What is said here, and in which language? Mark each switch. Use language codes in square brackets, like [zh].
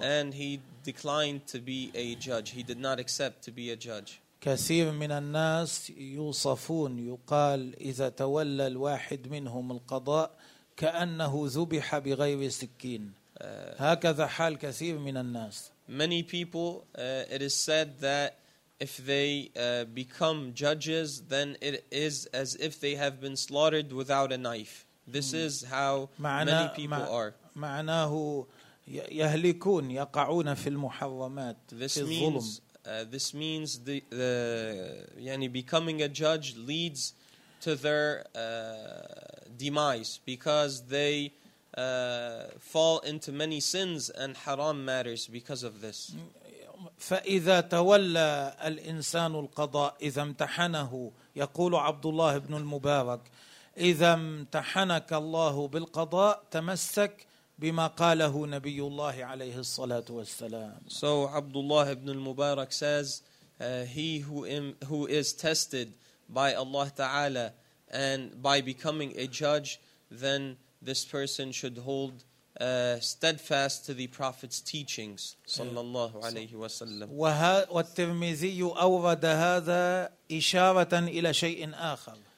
[en] And he declined to be a judge. He did not accept to be a judge. [ar] كثير من الناس يوصفون يقال إذا تولى الواحد منهم القضاء كأنه ذبح بغير سكين هكذا حال كثير من الناس. [en] Many people, it is said that if they become judges, then it is as if they have been slaughtered without a knife. This is how many people are. [ar] معناه يهلكون يقعون في المحرمات في الظلم. [en] This means the يعني becoming a judge leads to their demise because they fall into many sins and haram matters because of this. [ar] فإذا تولى الإنسان القضاء إذا امتحنه يقول عبد الله بن المبارك إذا امتحنك الله بالقضاء تمسك بما قاله نبي الله عليه الصلاة والسلام. [en] So Abdullah ibn al-Mubarak says, he who is tested by Allah Ta'ala and by becoming a judge, then this person should hold steadfast to the Prophet's teachings, sallallahu alayhi wa sallam. [ar] والترمذي أورد هذا إشارة إلى شيء آخر.